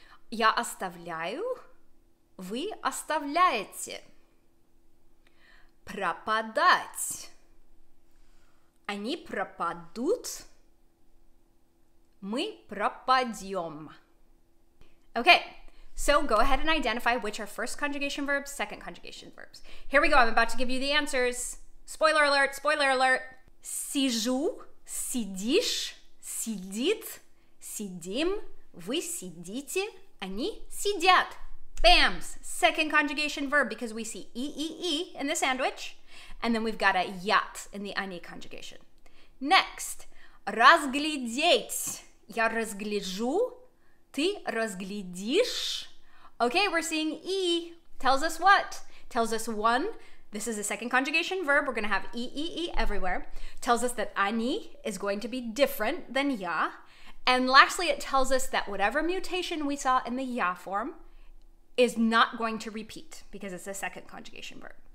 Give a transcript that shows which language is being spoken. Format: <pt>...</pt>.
<ru>Я оставляю, вы оставляете. Пропадать. Они пропадут, мы пропадем.</ru> <en>Okay, so go ahead and identify which are first conjugation verbs, second conjugation verbs. Here we go, I'm about to give you the answers. Spoiler alert.</en> <ru>Сижу, сидишь, сидит, сидим, вы сидите, они сидят.</ru> <en>Bams, second conjugation verb, because we see ee in the sandwich, and then we've got a ят in the они conjugation. Next,</en> <ru>разглядеть, я разгляжу, ты разглядишь.</ru> <en>Okay, we're seeing E, tells us what? Tells us one, this is a second conjugation verb, we're gonna have E everywhere. Tells us that они is going to be different than я. And lastly, it tells us that whatever mutation we saw in the я form is not going to repeat because it's a second conjugation verb.</en>